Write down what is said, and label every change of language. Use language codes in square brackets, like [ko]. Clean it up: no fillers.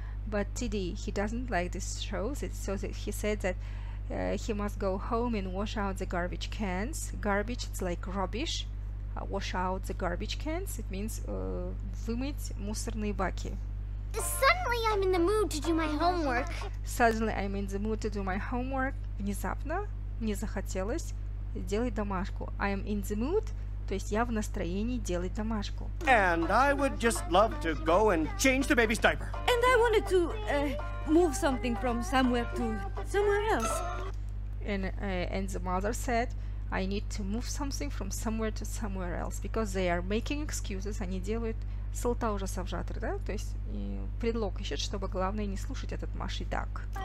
[en] But TD, he doesn't like this show, so that he said that he must go home and wash out the garbage cans. Garbage, it's like rubbish. Wash out the garbage cans, it means [ru] вымыть мусорные баки. [en] Suddenly I'm in the mood to do my homework. Suddenly I'm in the mood to do my homework. [ru] Внезапно мне захотелось делать домашку. [en] I am in the mood. [ru] То есть я в настроении делать домашку. [en] And I would just love to go and change the baby's diaper. And I wanted to move something from somewhere to somewhere else. And the mother said, I need to move something from somewhere to somewhere else. Because they are making excuses. [ru] Они делают салта уже совжатр, да? То есть и предлог ищет, чтобы главное не слушать этот Маши Дак.